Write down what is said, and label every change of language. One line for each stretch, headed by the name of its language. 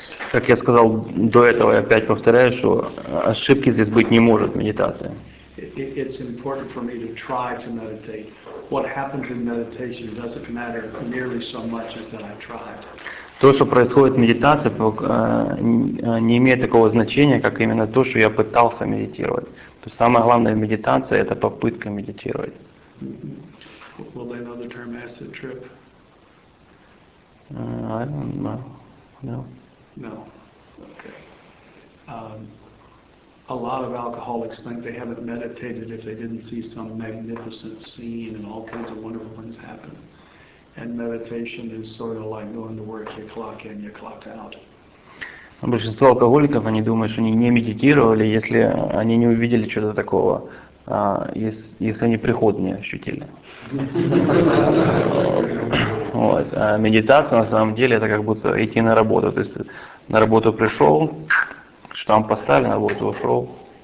Russian: Как я сказал до этого, я опять повторяю, что ошибки здесь быть не может в медитации.
English: It's important for me to try to meditate. What happens in meditation doesn't matter nearly so much as that I tried.
Russian: То, что происходит в медитации, не имеет такого значения, как именно то, что я пытался медитировать. То есть самое главное в медитации — это попытка медитировать.
English: Well, they know the term acid trip. I don't know. No. No. Okay. A lot of alcoholics think they haven't meditated if they didn't see some magnificent scene and all kinds of wonderful things happen. And meditation is sort of like going to work, you clock in, you clock out.
Russian: Большинство алкоголиков, они думают, что они не медитировали, если они не увидели что-то такого. Если они приход не ощутили. Вот. А медитация на самом деле это как будто идти на работу. То есть на работу пришел, штамп поставили, на работу ушел.